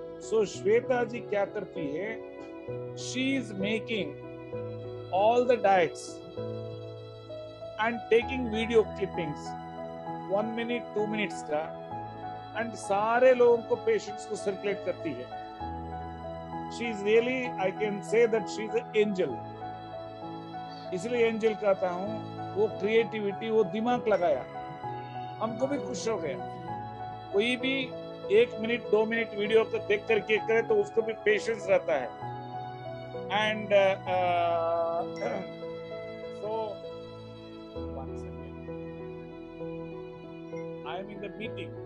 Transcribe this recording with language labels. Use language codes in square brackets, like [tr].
[hi] सो श्वेता जी क्या करती है, [en] she is making all the diets and taking video clippings [hi] 1 minute 2 minutes का, एंड सारे लोगों को पेशेंट्स को सर्कुलेट करती है। [en] She is really, I can say that she is an angel. [hi] इसलिए angel कहता हूँ, वो creativity, वो दिमाग लगाया, हमको भी खुश हो गया। कोई भी 1 मिनट 2 मिनट वीडियो को देख करके करे तो उसको भी patience रहता है। [en] And so one second, I am in the meeting.